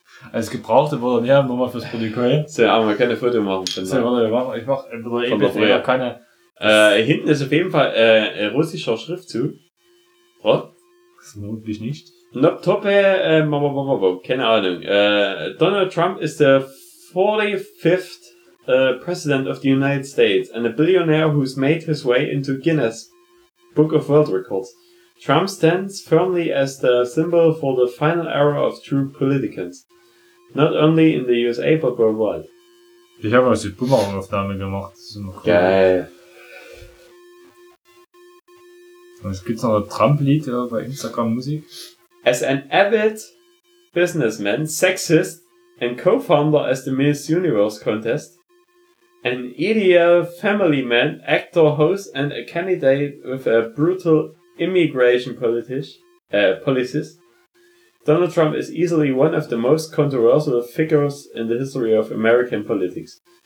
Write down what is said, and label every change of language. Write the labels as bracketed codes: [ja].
[de] Als Gebrauchte wurde er nicht, nochmal fürs Protokoll. So, aber wir können ein Foto machen. So, warte, ich mach eben ja keine. Hinten ist auf jeden Fall ein russischer Schriftzug. Oh. Das ist vermutlich nicht. Noptope, keine Ahnung. [en] Donald Trump is the 45th President of the United States and a billionaire who's made his way into Guinness Book of World Records. Trump stands firmly as the symbol for the final era of true politicians. Not only in the USA, but worldwide. [de] Ich habe also die Boomerang-Aufnahme gemacht. Das ist noch geil. Und es gibt noch ein Trump-Lied ja, bei Instagram-Musik. [en] As an avid businessman, sexist and co-founder as the Miss Universe contest, an ideal family man, actor, host and a candidate with a brutal immigration policies, Donald Trump is easily one of the most controversial figures in the history of American politics.